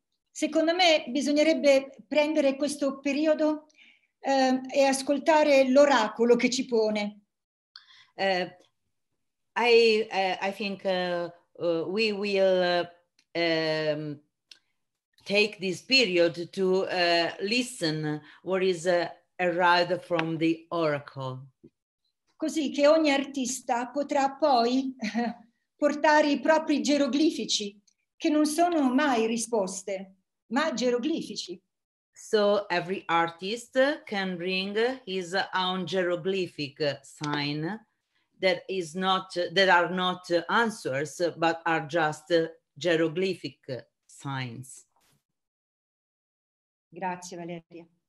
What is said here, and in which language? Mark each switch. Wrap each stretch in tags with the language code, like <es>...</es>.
<it>Secondo me bisognerebbe prendere questo periodo e ascoltare l'oracolo che ci pone.</it> <en>I think we will take this period to listen what is arrived from the oracle.</en> <it>Così che ogni artista potrà poi portare i propri geroglifici, che non sono mai risposte, ma geroglifici.</it> <en>So every artist can bring his own geroglyphic sign that are not answers, but are just geroglyphic signs.</en> <it>Grazie, Valeria.</it>